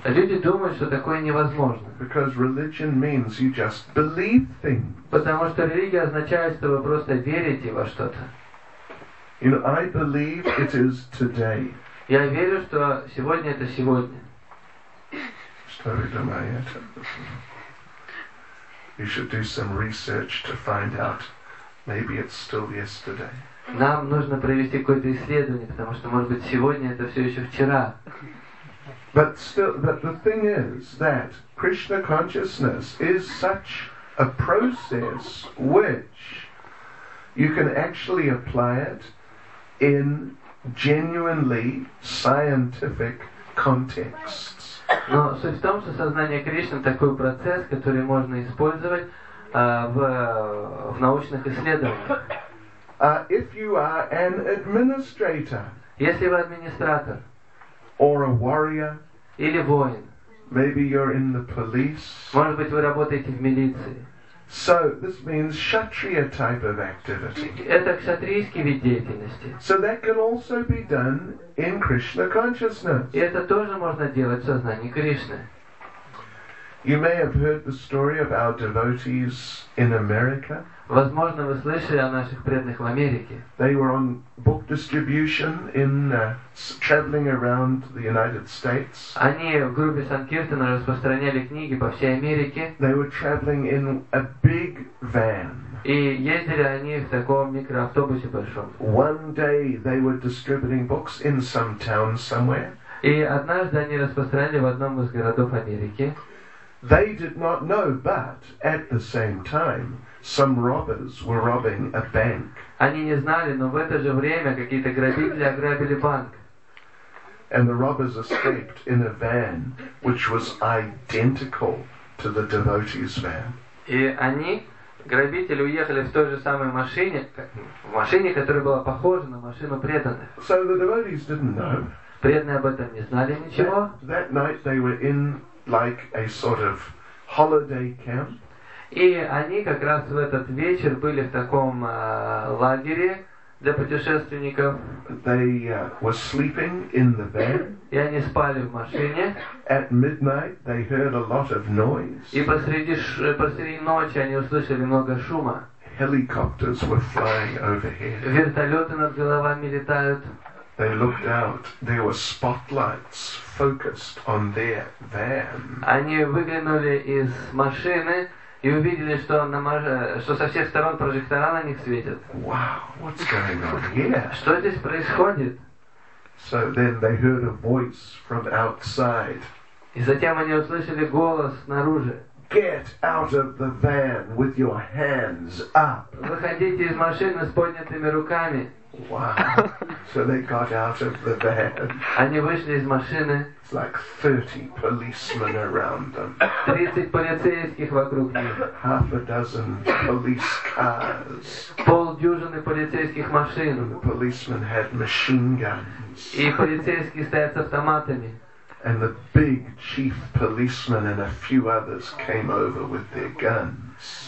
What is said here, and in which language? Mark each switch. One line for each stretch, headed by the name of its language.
Russian: Люди думают, что такое невозможно.
English: Because religion means you just believe things.
Russian: Потому что религия означает, что вы просто верите во что-то.
English: You know, I believe it is today.
Russian: Я верю, что сегодня это сегодня. Что вы думаете?
English: You should do some research to find out. Maybe it's still yesterday.
Russian: Нам нужно провести какое-то исследование, потому что, может быть, сегодня это все еще вчера.
English: But still, but the thing is that Krishna consciousness is such a process which you can actually apply it in genuinely scientific contexts.
Russian: Но суть в том, что сознание Кришны такой процесс, который можно использовать в научных исследованиях.
English: If you are an administrator,
Russian: если вы администратор,
English: or a warrior,
Russian: или воин,
English: maybe you're in the police,
Russian: может быть, вы работаете в милиции.
English: So this means kshatriya type of activity.
Russian: Это кшатрийский вид деятельности.
English: So that can also be done in Krishna consciousness.
Russian: И это тоже можно делать в сознании Кришны.
English: You may have heard the story of our devotees in America.
Russian: Возможно, вы слышали о наших преданных в Америке.
English: They were on book distribution in traveling around the United States.
Russian: Они в группе Санкиртана распространяли книги по всей Америке.
English: They were traveling in a big van.
Russian: И ездили они в таком микроавтобусе большом.
English: One day they were distributing books in some town somewhere.
Russian: И однажды они распространяли в одном из городов Америки.
English: They did not know, but at the same time, some robbers were robbing a bank.
Russian: Они не знали, но в это же время какие-то грабители ограбили банк.
English: And the robbers escaped in a van which was identical to the devotees' van.
Russian: И они, грабители, уехали в той же самой машине, в машине, которая была похожа на машину преданных.
English: So the devotees didn't know.
Russian: Преданные об этом не знали ничего.
English: That night they were in like a sort of holiday camp.
Russian: И они как раз в этот вечер были в таком лагере для путешественников.
English: They were sleeping in the van.
Russian: И они спали в машине.
English: At midnight they heard a lot of noise.
Russian: И посреди ночи они услышали много шума.
English: Helicopters were flying overhead.
Russian: Вертолеты над головами летают.
English: They looked out. There were spotlights focused on their van.
Russian: Они выглянули из машины и увидели, что со всех сторон прожектора на них светят.
English: Wow, what's going on here?
Russian: Что здесь происходит?
English: So then they heard a voice from outside.
Russian: И затем они услышали голос снаружи.
English: Get out of the van with your hands up.
Russian: Выходите из машины с поднятыми руками.
English: Wow. So they got out of the van.
Russian: Они вышли из машины.
English: It's like 30 policemen around them.
Russian: 30 полицейских вокруг них.
English: Half a dozen police cars.
Russian: Полдюжины полицейских машин.
English: And the policemen had machine guns.
Russian: И полицейские стоят с автоматами.
English: And the big chief policeman and a few others came over with their guns.